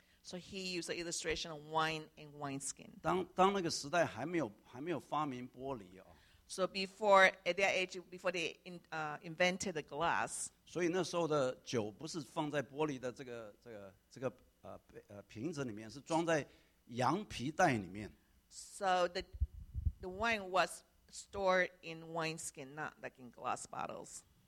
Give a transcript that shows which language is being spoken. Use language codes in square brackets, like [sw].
[en] So he used the illustration of wine and wineskin. [zh] 当那个时代还没有发明玻璃哦。 [en] So before at that age, before they invented the glass. [zh] 所以那时候的酒不是放在玻璃的这个 瓶子里面是装在羊皮带里面。 [en] So the wine was stored in wineskin, not like in glass bottles.